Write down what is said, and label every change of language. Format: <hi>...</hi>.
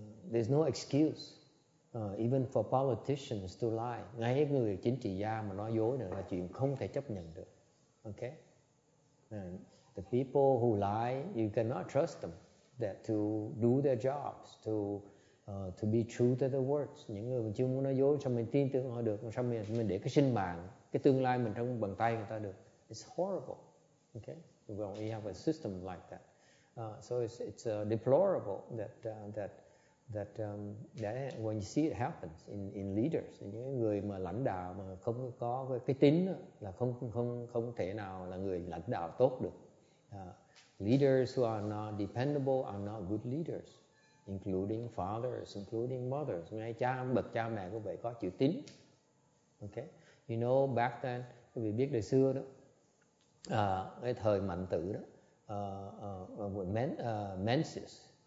<en>There's no excuse, even for politicians to lie.</en> <vi>Ngay người chính trị gia mà nói dối nữa là chuyện không thể chấp nhận được.</vi> <en>Okay, the people who lie, you cannot trust them that to do their jobs, to be true to the words.</en> <vi>Những người mà chưa muốn nói dối, sao mình tin tưởng họ được? Sao mình để cái sinh mạng, cái tương lai mình trong bàn tay người ta được?</vi> <en>It's horrible. Okay, well, we have a system like that. So it's deplorable that when you see it happens in leaders,</en> <vi>những người mà lãnh đạo mà không có cái tín là không thể nào là người lãnh đạo tốt được.</vi> <en>Leaders who are not dependable are not good leaders. Including fathers, including mothers.</en> <vi>Ngay cha, bậc cha mẹ cũng vậy, có chữ tín.</vi> <en>Okay, you know back then,</en> <vi>quý vị biết đời xưa đó, cái thời Mạnh Tử đó, Mencius.</vi>